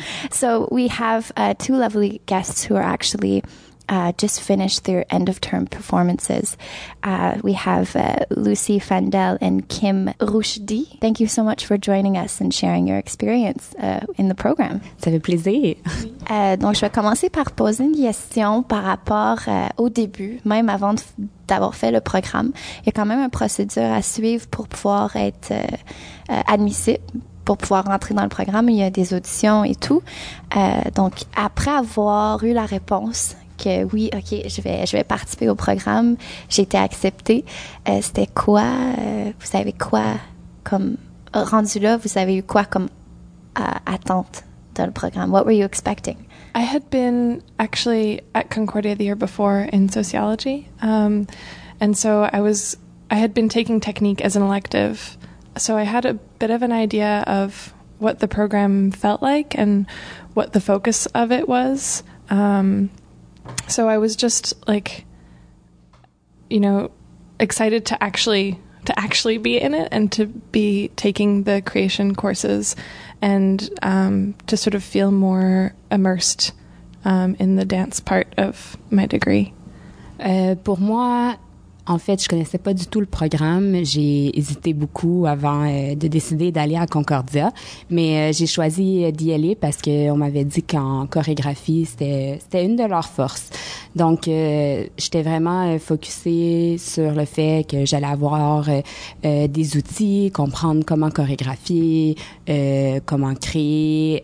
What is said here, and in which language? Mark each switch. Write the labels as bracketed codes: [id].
[en] So we have two lovely guests who are actually just finished their end of term performances. We have Lucy Fandel and Kim Rouchdi. Thank you so much for joining us and sharing your experience in the program. [fr] Ça fait plaisir. Donc je vais commencer par poser une question par rapport au début, même avant d'avoir fait le programme. Il y a quand même une procédure à suivre pour pouvoir être admissible, pour pouvoir rentrer dans le programme. Il y a des auditions et tout. Donc après avoir eu la réponse que oui, OK, je vais participer au programme, j'ai été acceptée. C'était quoi? Vous avez quoi comme rendu là? Vous avez eu quoi comme attente dans le programme? [en] What were you expecting? I had been actually at Concordia the year before in sociology. And so I had been taking technique as an elective. So I had a bit of an idea of what the program felt like and what the focus of it was. So I was just like, you know, excited to actually be in it and to be taking the creation courses and to sort of feel more immersed in the dance part of my degree. [fr] Pour moi, en fait, je connaissais pas du tout le programme. J'ai hésité beaucoup avant de décider d'aller à Concordia, mais j'ai choisi d'y aller parce que on m'avait dit qu'en chorégraphie, c'était une de leurs forces. Donc, j'étais vraiment focussée sur le fait que j'allais avoir des outils, comprendre comment chorégraphier, comment créer.